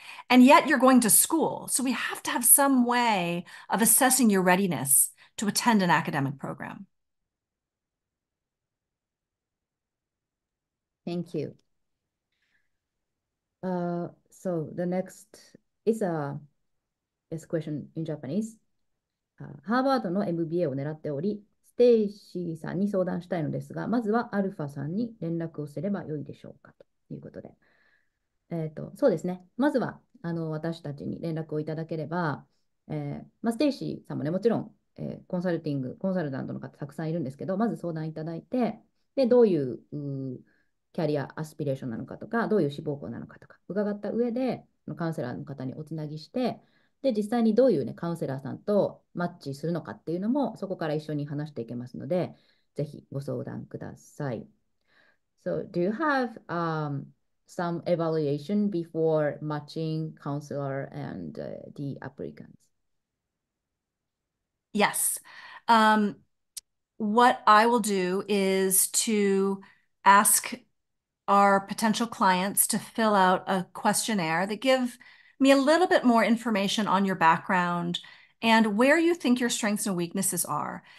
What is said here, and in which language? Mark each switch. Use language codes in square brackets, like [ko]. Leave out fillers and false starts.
[en] And yet you're going to school. So we have to have some way of assessing your readiness to attend an academic program. Thank you. So the next is a question in Japanese. [ja] ハーバードの MBA を狙っており、ステイシーさんに相談したいのですが、まずはアルファさんに連絡をすればよいでしょうかということで。そうですね。まずは私たちに連絡をいただければ、ステイシーさんもね、もちろん、コンサルティング、コンサルタントの方たくさんいるんですけど、まず相談いただいて、で、どういう、キャリアアスピレーションなのかとか、どういう志望校なのかとか、伺った上で、カウンセラーの方におつなぎして、で、実際にどういう、ね、カウンセラーさんとマッチするのかっていうのも、そこから一緒に話していけますので、ぜひご相談ください。 [en] So, do you have some evaluation before matching counselor and the applicants? Yes. What I will do is to ask our potential clients to fill out a questionnaire that give me a little bit more information on your background and where you think your strengths and weaknesses are.